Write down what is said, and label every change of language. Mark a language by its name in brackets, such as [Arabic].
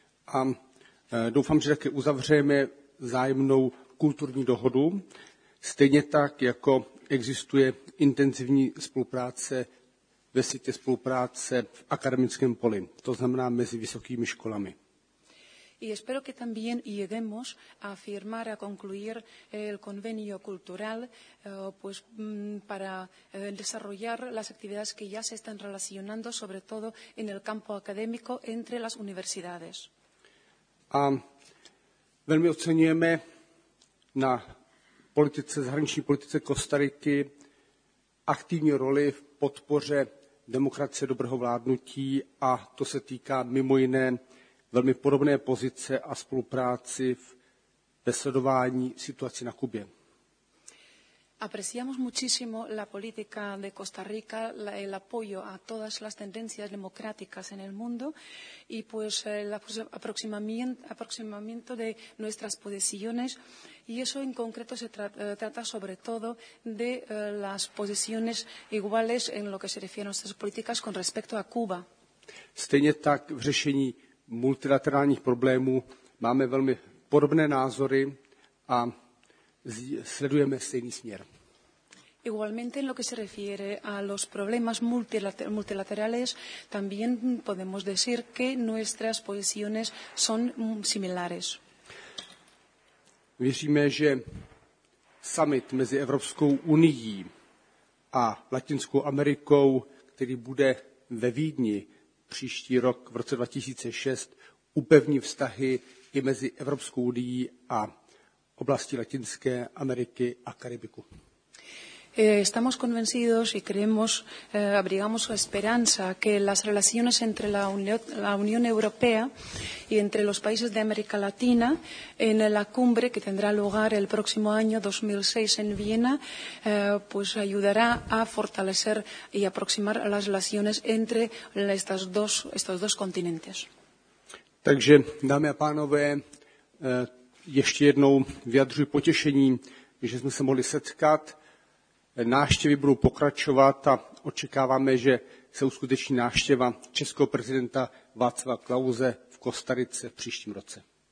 [Czech] A doufám, že taky uzavřeme vzájemnou kulturní dohodu, stejně tak, jako existuje intenzivní spolupráce ve světě spolupráce v akademickém poli, to znamená mezi vysokými školami. [Spanish] Y espero que también lleguemos a firmar, a concluir el convenio cultural pues, para desarrollar las actividades que ya se están relacionando, sobre todo en el campo académico, entre las universidades. [Czech] A velmi oceňujeme na politice, zahraniční politice Kostariky aktivní roli v podpoře demokracie, dobrého vládnutí, a to se týká mimo jiné velmi podobné pozice a spolupráci ve sledování situace na Kubě. [Spanish] Apreciamos muchísimo la política de Costa Rica, el apoyo a todas las tendencias democráticas en el mundo y pues el aproximamiento de nuestras posiciones y eso en concreto se trata sobre todo de las posiciones iguales en lo que se refiere a nuestras políticas con respecto a Cuba. [Czech] Stejně tak v řešení multilaterálních problémů máme velmi podobné názory a sledujeme stejný směr. [Spanish] Igualmente en lo que se refiere a los problemas multilaterales, también podemos decir que nuestras posiciones son similares. [Czech] Věříme, že summit mezi Evropskou unií a Latinskou Amerikou, který bude ve Vídni příští rok v roce 2006, upevní vztahy i mezi Evropskou unií a oblasti Latinské Ameriky a Karibiku. [Spanish] Estamos convencidos y creemos, abrigamos esperanza que las relaciones entre la Unión Europea y entre los países de América Latina en la cumbre que tendrá lugar el próximo año 2006 en Viena, pues ayudará a fortalecer y aproximar las relaciones entre estos dos continentes. [Czech] Takže, dámy a pánové, ještě jednou vyjadřuji potěšení, že jsme se mohli setkat. Návštěvy budou pokračovat a očekáváme, že se uskuteční návštěva českého prezidenta Václava Klause v Kostarice v příštím roce.